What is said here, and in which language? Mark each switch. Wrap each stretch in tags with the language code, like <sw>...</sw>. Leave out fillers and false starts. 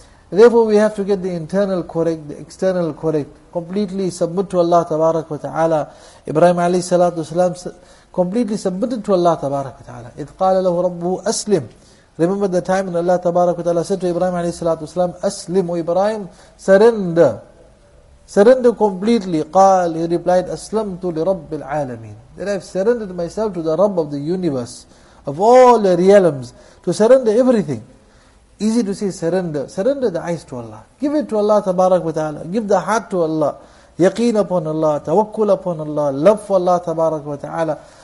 <en>Therefore we have to get the internal correct, the external correct, completely submit to Allah tabarak wa ta'ala. Ibrahim alayhi salatu wasalam completely submitted to Allah tabarak wa ta'ala.</en> <ar>إِذْ قَالَ لَهُ رَبُّهُ أَسْلِمْ.</ar> <en>Remember the time when Allah tabarak wa ta'ala said to Ibrahim alayhi salatu wasalam, أَسْلِمْ. O Ibrahim, surrender completely.</en> <ar>قَالَ,</ar> <en>he replied,</en> <ar>أَسْلَمْتُ لِرَبِّ الْعَالَمِينَ.</ar> <en>That I have surrendered myself to the Rabb of the universe, of all the realms, to surrender everything. Easy to say surrender. Surrender the eyes to Allah. Give it to Allah tabarak wa ta'ala. Give the heart to Allah. Yaqeen upon Allah. Tawakkul upon Allah. Love for Allah tabarak wa ta'ala.</en>